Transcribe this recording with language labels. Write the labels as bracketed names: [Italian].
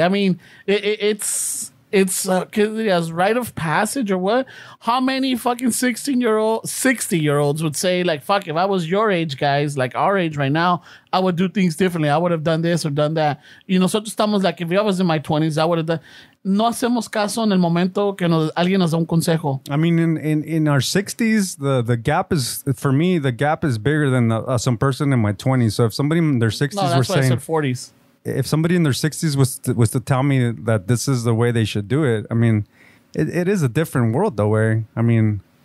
[English] I mean, it's rite of passage or what? How many fucking 60-year-olds would say, like, fuck, if I was your age, guys, like our age right now, I would do things differently. I would have done this or done that. You know, [Spanish] nosotros estamos [English] like, if I was in my 20s, I would have done. [Spanish] No hacemos caso en el momento que alguien nos da un consejo. [English] I mean, in our 60s, the gap is, for me, the gap is bigger than some person in my 20s. So if somebody in their 60s that's were what saying. I said 40s. If somebody in their 60s was to tell me that this is the way they should do it, I mean, it is a different world though, where, I mean...